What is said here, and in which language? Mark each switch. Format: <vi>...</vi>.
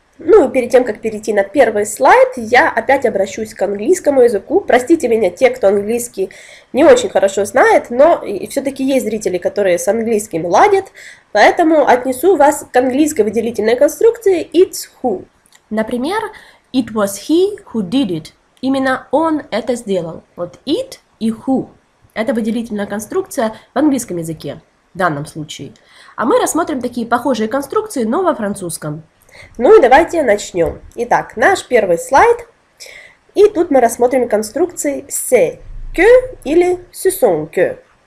<ru>Ну и перед тем, как перейти на первый слайд, я опять обращусь к английскому языку. Простите меня, те, кто английский не очень хорошо знает, но все-таки есть зрители, которые с английским ладят, поэтому отнесу вас к английской выделительной конструкции «it's who». Например,</ru> <en>«it was he who did it».</en> <ru>Именно он это сделал. Вот «it» и «who» — это выделительная конструкция в английском языке в данном случае. А мы рассмотрим такие похожие конструкции, но во французском. Ну и давайте начнем. Итак, наш первый слайд. И тут мы рассмотрим конструкции «c'est que» или «ce sont que».</ru>